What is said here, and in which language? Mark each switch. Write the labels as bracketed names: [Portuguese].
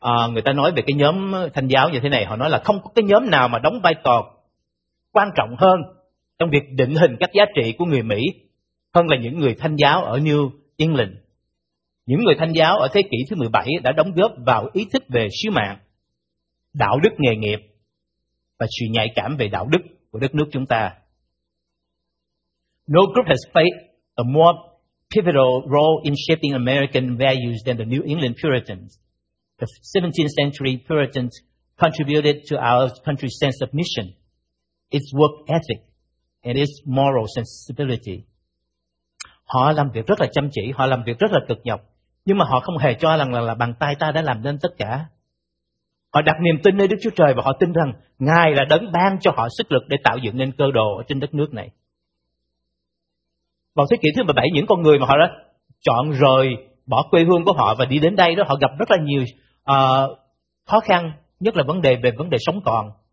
[Vietnamese] Người ta nói về cái nhóm thanh giáo như thế này, họ nói là không có cái nhóm nào mà đóng vai trò quan trọng hơn trong việc định hình các giá trị của người Mỹ hơn là những người thanh giáo ở New England. Những người thanh giáo ở thế kỷ thứ 17 đã đóng góp vào ý thức về sứ mạng, đạo đức nghề nghiệp và sự nhạy cảm về đạo đức của đất nước chúng ta. [English] No group has played a more pivotal role in shaping American values than the New England Puritans. The 17th century Puritans contributed to our country's sense of mission, its work ethic, and its moral sensibility. [Vietnamese] Họ làm việc rất là chăm chỉ, họ làm việc rất là cực nhọc, nhưng mà họ không hề cho rằng là bằng tay ta đã làm nên tất cả. Họ đặt niềm tin nơi Đức Chúa Trời và họ tin rằng Ngài là đấng ban cho họ sức lực để tạo dựng nên cơ đồ ở trên đất nước này. Vào thế kỷ thứ 17, những con người mà họ đã chọn rời bỏ quê hương của họ và đi đến đây đó, họ gặp rất là nhiều khó khăn, nhất là vấn đề sống còn.